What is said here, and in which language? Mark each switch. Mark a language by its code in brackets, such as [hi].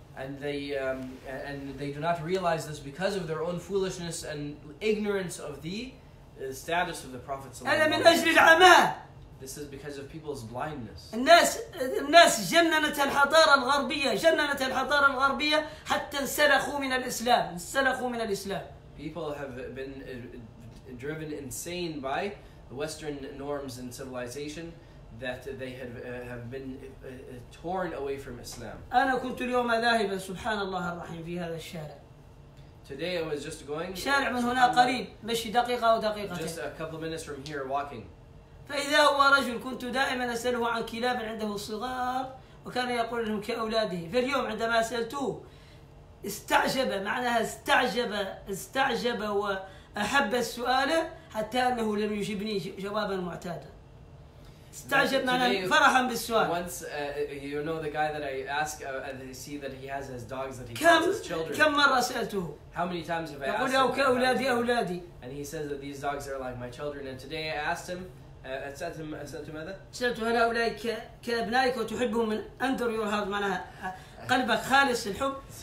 [en] And they do not realize this because of their own foolishness and ignorance of the. The status of the Prophet صلى الله عليه وسلم. This is because of people's blindness. [ar] الناس جننت الحضارة الغربية جننت الحضارة الغربية حتى انسلخوا من الإسلام انسلخوا من الإسلام. [en] People have been driven insane by the Western norms and civilization that they have been torn away from Islam. [ar] أنا كنت اليوم ذاهبا سبحان الله الرحيم في هذا الشارع. [en] Today I was just going. [ar] شارع من هنا قريب. مشي دقيقة أو دقيقتين. [en] Just a couple of minutes from here, walking. [ar] فإذا هو رجل كنت دائما أسأله عن كلاب عنده صغار وكان يقول لهم كأولاده. في اليوم عندما سألتوه استعجب، معناها استعجب وأحب السؤال حتى أنه لم يجبني جوابا معتادا. استعجب معناها فرحا بالسؤال. [en] Once you know the guy that I ask and they see that he has his dogs that he calls his children. [ar] كم مرة سألته؟ [en] How many times have I asked him? [ar] كأولادي أولادي. [en] And he says that these dogs are like my children. And today I asked him. [ar] سألت ماذا؟ سألت هل أولئك كأبنائك وتحبهم من [en] under your heart، [ar] معناها قلبك خالص الحب.